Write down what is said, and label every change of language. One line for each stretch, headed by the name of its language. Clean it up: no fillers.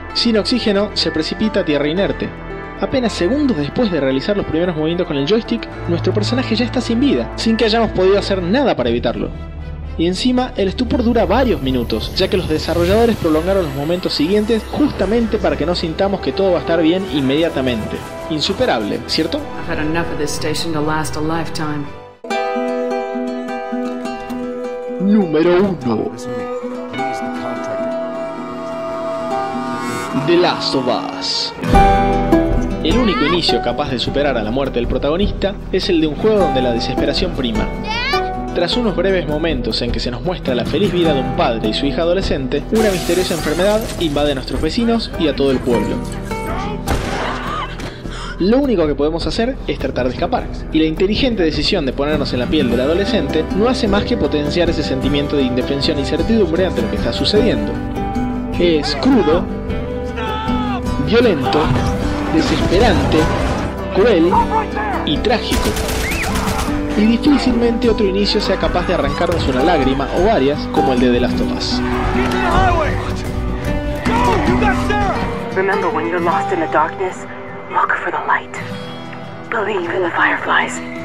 Spanish: Sin oxígeno, se precipita a tierra inerte. Apenas segundos después de realizar los primeros movimientos con el joystick, nuestro personaje ya está sin vida, sin que hayamos podido hacer nada para evitarlo. Y encima, el estupor dura varios minutos, ya que los desarrolladores prolongaron los momentos siguientes justamente para que no sintamos que todo va a estar bien inmediatamente. Insuperable, ¿cierto?
English: I've had enough of this station to last a lifetime.
Spanish: Número 1.
English: The Last of Us.
Spanish: El único inicio capaz de superar a la muerte del protagonista es el de un juego donde la desesperación prima. Tras unos breves momentos en que se nos muestra la feliz vida de un padre y su hija adolescente, una misteriosa enfermedad invade a nuestros vecinos y a todo el pueblo. Lo único que podemos hacer es tratar de escapar, y la inteligente decisión de ponernos en la piel del adolescente no hace más que potenciar ese sentimiento de indefensión y certidumbre ante lo que está sucediendo. Es crudo, violento, desesperante, cruel y trágico. Y difícilmente otro inicio sea capaz de arrancarnos una lágrima o varias como el de The Last of Us.
English: Remember when you're lost in the darkness, look for the light. Believe in the fireflies.